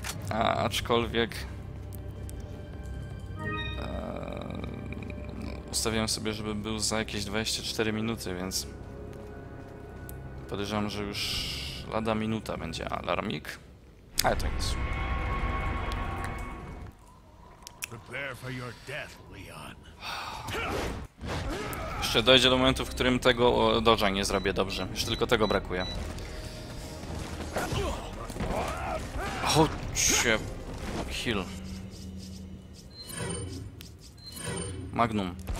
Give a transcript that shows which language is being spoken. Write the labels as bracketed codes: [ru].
[pl] A aczkolwiek... ustawiłem sobie, żeby był za jakieś 24 minuty, więc... podejrzewam, że już lada minuta będzie alarmik. Ale to nic. [en] Prepare for your death, Leon. [pl] Jeszcze dojdzie do momentu, w którym tego dodża nie zrobię dobrze. Jeszcze tylko tego brakuje. Chodźcie. Heal. Magnum.